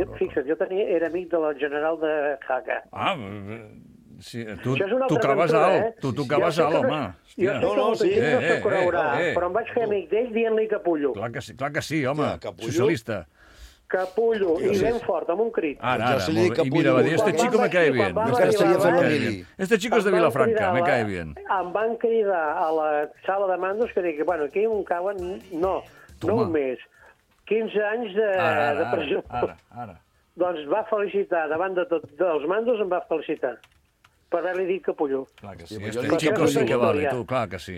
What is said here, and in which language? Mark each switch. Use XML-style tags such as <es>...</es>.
<ca>Fixa't, jo tenia, era amic del general de Haka. Ah, sí, tu tocaves alt, tu tocaves alt, home. Jo sé que molta gent no sap col·laborar, però em vaig fer amic d'ell dient-li capullo. Clar que sí, home, socialista. Capullo, i ben fort, amb un crit. Ara, ara, molt bé. I mira, va dir,</ca> <es>este chico me cae bien. Este chico es de Vilafranca, me cae bien.</es> <ca>Em van cridar a la sala de mandos que dic, bueno, aquí un cauen, no, no un mes. 15 anys de presó. Doncs va felicitar, davant de tot dels mandos em va felicitar. Per haver-li dit capullo. Clar que sí,</ca> <es>este chico sí que vale,</es> <ca>tu, clar que sí.</ca>